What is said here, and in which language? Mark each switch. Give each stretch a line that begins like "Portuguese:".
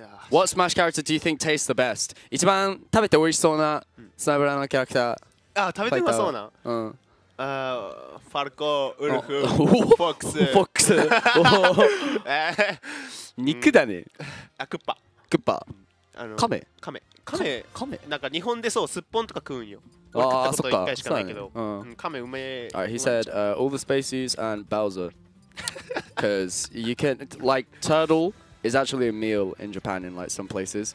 English: What Smash character do you think tastes the best?
Japanese: 一番食べて美味しそうなスナブラのキャラクター。あ、食べてうまそうな。うん。ファルコ、ウルフ、フォックス。フォックス。肉だね。あ、クッパ。クッパ。カメ。カメ。カメ。カメ。なんか日本でそう、スッポンとか食うんよ。あ、食ったこと一回しかないけど。うん。カメうめえ。
English: Alright, he said, all the species and Bowser. Because you can, like, turtle. It's actually a meal in Japan in like some places.